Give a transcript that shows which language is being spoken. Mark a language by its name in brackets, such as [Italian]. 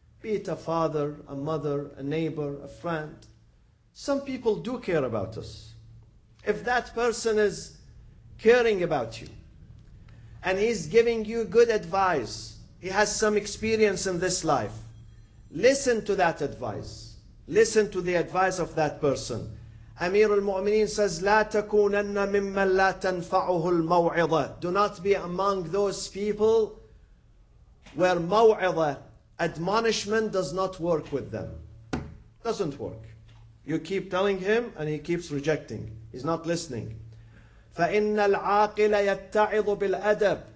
[English] Be it a father, a mother, a neighbor, a friend. Some people do care about us. If that person is caring about you and he's giving you good advice, he has some experience in this life, listen to that advice. Listen to the advice of that person. Amir al-Mu'mineen says, [Arabic] لا تكونن ممن لا تنفعه الموعظة. [English] Do not be among those people where موعظة, admonishment, does not work with them. Doesn't work. You keep telling him and he keeps rejecting. He's not listening. [Arabic] فَإِنَّ الْعَاقِلَ يَتَّعِظُ بِالْأَدَبِ.